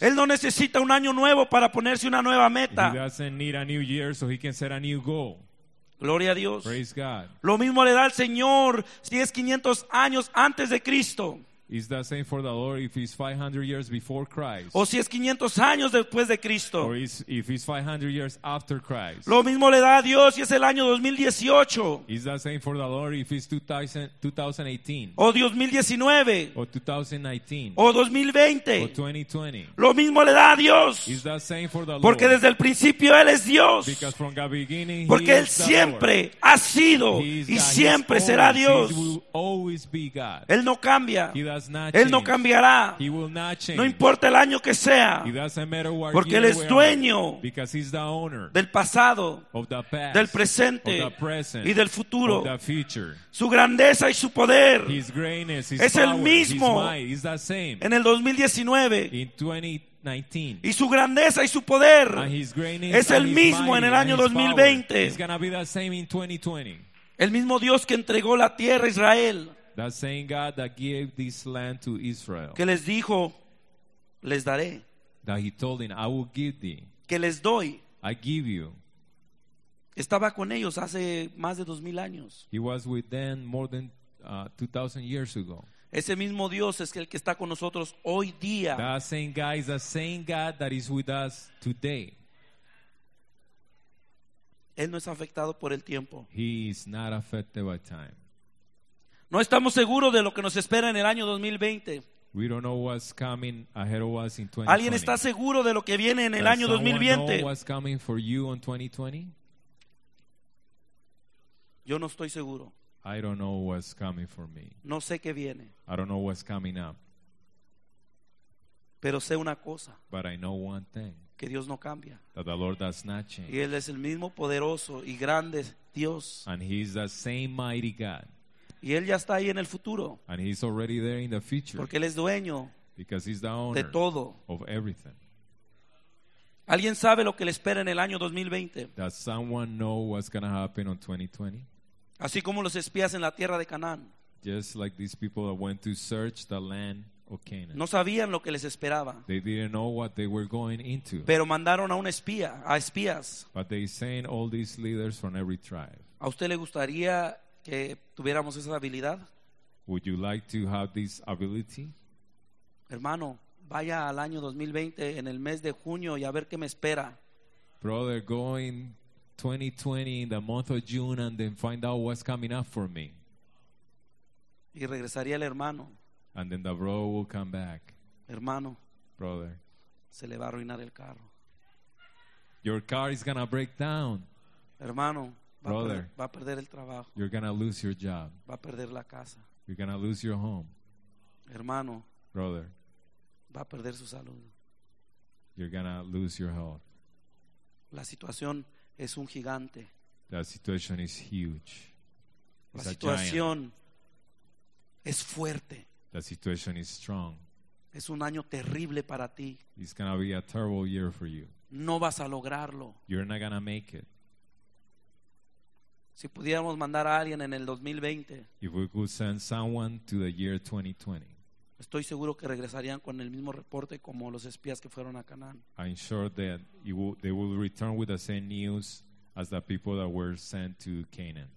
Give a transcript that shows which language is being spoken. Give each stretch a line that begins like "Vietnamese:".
Spanish: Él no necesita un año nuevo para ponerse una nueva meta.
English: He doesn't need a new year so he can set a new goal.
Spanish: Gloria a Dios.
English: Praise God.
Spanish: Lo mismo le da al Señor si es 500 años antes de Cristo.
English: It's the same for the Lord if it's 500 years before Christ.
Spanish: O si es 500 años después de Cristo.
English: Or if it's 500 years after Christ.
Spanish: Lo mismo le da a Dios si es el año 2018.
English: It's the same for the Lord if it's 2018.
Spanish: O 2019.
English: Or 2019.
Spanish: O 2020.
English: Or 2020.
Spanish: Lo mismo le da a Dios.
English: It's the same for the Lord.
Spanish: Porque desde el principio Él es Dios.
English: Because from the beginning,
Spanish: porque
English: He
Spanish: Él siempre ha sido y siempre será Dios.
English: He will always be God.
Spanish: Él no cambia.
English: He does not change.
Spanish: Él no cambiará.
English: He will not change.
Spanish: No importa el año que sea.
English: He doesn't matter what
Spanish: porque Él es dueño del pasado,
English: of the past,
Spanish: del presente,
English: of the present,
Spanish: y del futuro.
English: Of the future.
Spanish: Su grandeza y su poder,
English: his greatness, his
Spanish: es el mismo,
English: his might, the same.
Spanish: En el 2019.
English: In 2019.
Spanish: Y su grandeza y su poder,
English: and his greatness,
Spanish: es el
English: and
Spanish: mismo
English: his
Spanish: en el año 2020.
English: Is gonna be the same in 2020.
Spanish: El mismo Dios que entregó la tierra a Israel,
English: the same God that gave this land to Israel,
Spanish: que les dijo, les daré,
English: that he told them, I will give thee,
Spanish: que les doy,
English: I give you,
Spanish: estaba con ellos hace más de 2,000 años.
English: He was with them more than 2,000 years ago.
Spanish: Ese mismo Dios es el que está con nosotros hoy día.
English: That same God is the same God that is with us today.
Spanish: Él no es afectado por el tiempo.
English: He is not affected by time.
Spanish: No estamos seguros de lo que nos espera en el año 2020.
English: We don't know what's coming ahead of us in 2020.
Spanish: ¿Alguien está seguro de lo que viene en el año 2020?
English: Know what's coming for you on 2020?
Spanish: Yo no estoy seguro.
English: I don't know what's coming for me.
Spanish: No sé qué viene.
English: I don't know what's coming up.
Spanish: Pero sé una cosa.
English: But I know one thing.
Spanish: Que Dios no cambia.
English: That the Lord does not change.
Spanish: Y Él es el mismo poderoso y grande Dios.
English: And He is the same mighty God.
Spanish: Y Él ya está ahí en el futuro.
English: And He's already there in the future.
Spanish: Porque Él es dueño.
English: Because He's the owner
Spanish: de todo.
English: Of everything.
Spanish: ¿Alguien sabe lo que le espera en el año 2020?
English: Does someone know what's going to happen on 2020?
Spanish: Así como los espías en la tierra de Canaán.
English: Just like these people that went to search the land.
Spanish: No sabían lo que les esperaba.
English: They didn't know what they were going into.
Spanish: Pero mandaron a un espía, a espías.
English: But they sent all these leaders from every tribe.
Spanish: ¿A usted le gustaría que tuviéramos esa habilidad?
English: Would you like to have this ability?
Spanish: Hermano, vaya al año 2020 en el mes de junio y a ver qué me espera.
English: Brother, go in 2020 in the month of June and then find out what's coming up for me.
Spanish: Y regresaría el hermano.
English: And then the brother will come back.
Spanish: Hermano,
English: brother,
Spanish: se le va a arruinar el carro.
English: Your car is gonna break down.
Spanish: Hermano,
English: brother,
Spanish: va a perder el trabajo.
English: You're gonna lose your job.
Spanish: Va a perder la casa.
English: You're gonna lose your home.
Spanish: Hermano,
English: brother,
Spanish: va a perder su salud.
English: You're gonna lose your health.
Spanish: La situación es un gigante.
English: The situation is huge.
Spanish: La situación es fuerte.
English: The situation is strong.
Spanish: Es un año terrible para ti.
English: It's going to be a terrible year for you.
Spanish: No vas a lograrlo.
English: You're not going to make it.
Spanish: Si pudiéramos mandar a alguien en el 2020.
English: If we could send someone to the year 2020.
Spanish: Estoy seguro que regresarían con el mismo reporte como los espías que fueron a Canaán.
English: I'm sure that they will return with the same news as the people that were sent to Canaan.